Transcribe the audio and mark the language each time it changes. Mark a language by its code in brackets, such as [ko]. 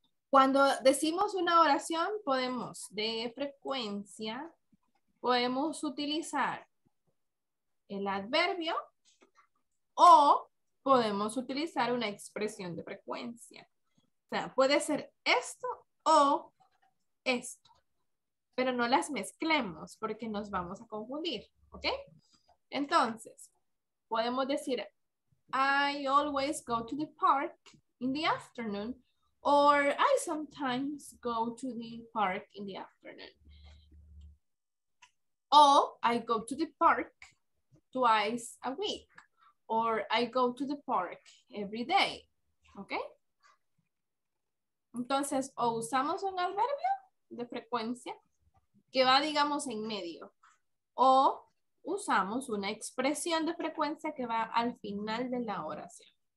[es] Cuando decimos una oración, podemos, de frecuencia, podemos utilizar el adverbio o podemos utilizar una expresión de frecuencia. O sea, puede ser esto o esto. Pero no las mezclemos porque nos vamos a confundir, ¿ok? Entonces, podemos decir... [en] I always go to the park in the afternoon, or I sometimes go to the park in the afternoon. Or I go to the park twice a week, or I go to the park every day, okay? [es] Entonces, o usamos un adverbio de frecuencia que va, digamos, en medio, o usamos una expresión de frecuencia que va al final de la oración.